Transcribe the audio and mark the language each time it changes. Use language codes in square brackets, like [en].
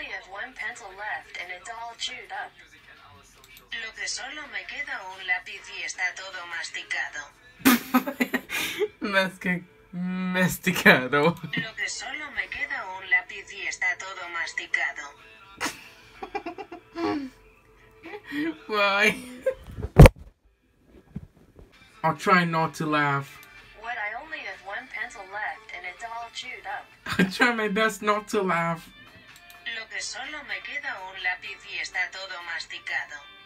[en] one pencil left and it's all chewed up. [es] Lo que solo me queda un lápiz y está todo masticado. Masticado. Lo que solo me queda un lápiz y está todo masticado. [en] Why? I'll try not to laugh. What, I only have one pencil left and it's all chewed up. I try my best not to laugh. [es] Lo que solo me queda un lápiz y está todo masticado.